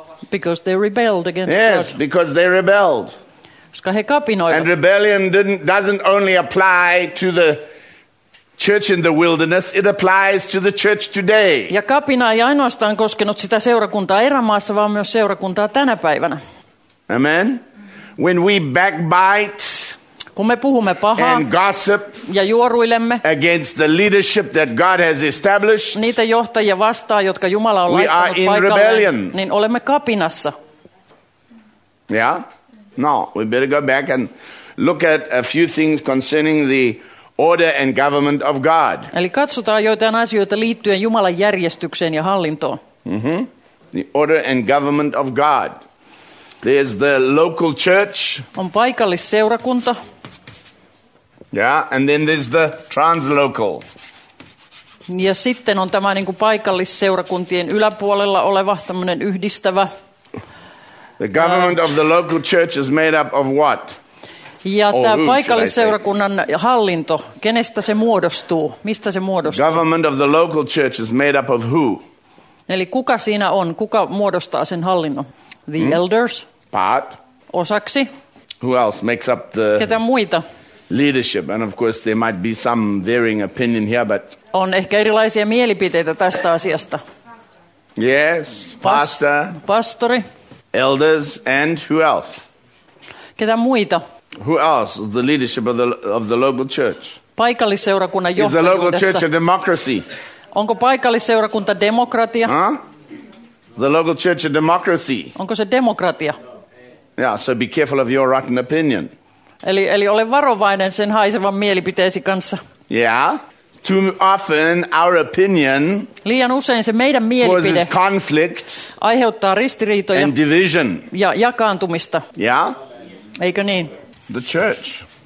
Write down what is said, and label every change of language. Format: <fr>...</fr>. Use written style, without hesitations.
<en>Because they rebelled against yes, God. Yes, because they rebelled.</en> <fi>Koska he kapinoivat.</fi> <en>And rebellion doesn't only apply to the church in the wilderness, it applies to the church today.</en> <fi>Ja kapina ei ainoastaan koskenut sitä seurakuntaa erämaassa, vaan myös seurakuntaa tänä päivänä.</fi> <en>Amen. When we backbite,</en> <fi>kun me puhumme pahaa</fi> <en>and gossip</en> <fi>ja juoruilemme</fi> <en>against the leadership that God has established,</en> <fi>niitä johtajia vastaan, jotka Jumala on laittanut paikalle, niin olemme kapinassa.</fi> <en>Yeah? No, we better go back and look at a few things concerning the order and government of God.</en> <fi>Eli katsotaan joitain asioita liittyen Jumalan järjestykseen ja hallintoon. Mm-hmm.</fi> <en>The order and government of God. There's the local church.</en> <fi>On paikallisseurakunta.</fi> <en>Yeah, and then there's the translocal.</en> <fi>Ja sitten on tämä niinku paikallisseurakuntien yläpuolella oleva tämmönen yhdistävä.</fi> <en>The government of the local church is made up of what?</en> <fi>Ja tämä paikallisseurakunnan hallinto, kenestä se muodostuu? Mistä se muodostuu? Government of the local church is made up of who? Eli kuka siinä on? Kuka muodostaa sen hallinnon?</fi> <en>The elders. Part.</en> <fi>Osaksi.</fi> <en>Who else makes up the?</en> <fi>Ketä muita?</fi> <en>Leadership, and of course there might be some varying opinion here, but</en> <fi>on ehkä erilaisia mielipiteitä tästä asiasta.</fi> <en>Yes, pastor.</en> <fi>Pastori.</fi> <en>Elders and who else?</en> <fi>Ketä muita?</fi> <en>Who else? The leadership of the local church.</en> <fi>Paikallisseurakunnan johtajuudessa.</fi> <en>Is the local church a democracy?</en> <fi>Onko paikallisseurakunta demokratia? Huh?</fi> <en>The local church a democracy?</en> <fi>Onko se demokratia?</fi> <en>Yeah, so be careful of your rotten opinion.</en> <fi>Eli ole varovainen sen haisevan mielipiteesi kanssa.</fi> <en>Yeah. Too often our opinion</en> <fi>liian usein se meidän mielipide</fi> <en>conflict</en> <fi>aiheuttaa ristiriitoja</fi> <en>and division</en> <fi>ja jakaantumista.</fi> <en>Yeah.</en> <fi>Eikö niin?</fi> <en>The church.</en>